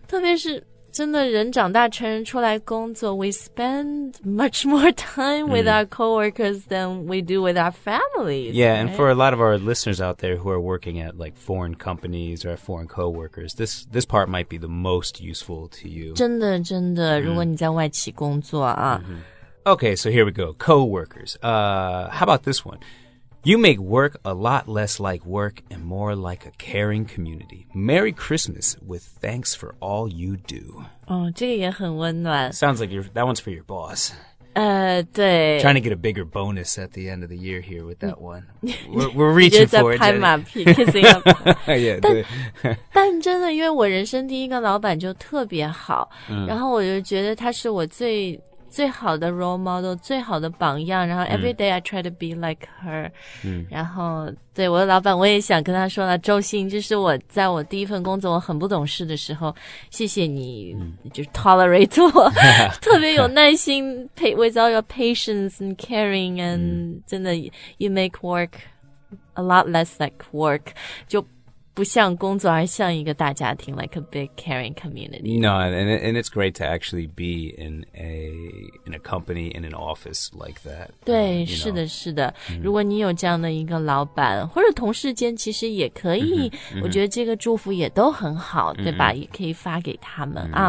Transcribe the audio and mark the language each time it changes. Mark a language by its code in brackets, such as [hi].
[zh] 特别是真的人长大成人出来工作 [en] we spend much more time with our coworkers than we do with our families. Yeah, right? And for a lot of our listeners out there who are working at like foreign companies or foreign coworkers, this part might be the most useful to you. [zh] 真的如果你在外企工作啊。 [en] Okay, so here we go. Coworkers. How about this one? You make work a lot less like work and more like a caring community. Merry Christmas with thanks for all you do. [zh] 这个也很温暖。 [en] Sounds like that one's for your boss. [zh] 对。 [en] Trying to get a bigger bonus at the end of the year here with that one. We're reaching for it. [zh] 就在拍马屁 [en] kissing up. [zh] yeah, 对。但真的因为我人生第一个老板就特别好、然后我就觉得他是我最好的 [en] role model, [zh] 最好的榜样然后 [en] everyday I try to be like her, [zh] 然后对我的老板我也想跟他说了周星就是我在我第一份工作我很不懂事的时候谢谢你就 tolerate 我特别有耐心 [en] with all your patience and caring and [zh] 真的 [en] you make work a lot less like work, [zh] 就不像工作而像一个大家庭 [en] like a big caring community. No, and it's great to actually be in a company, in an office like that. [zh] 对、是的是的、如果你有这样的一个老板或者同事间其实也可以、我觉得这个祝福也都很好、对吧也可以发给他们、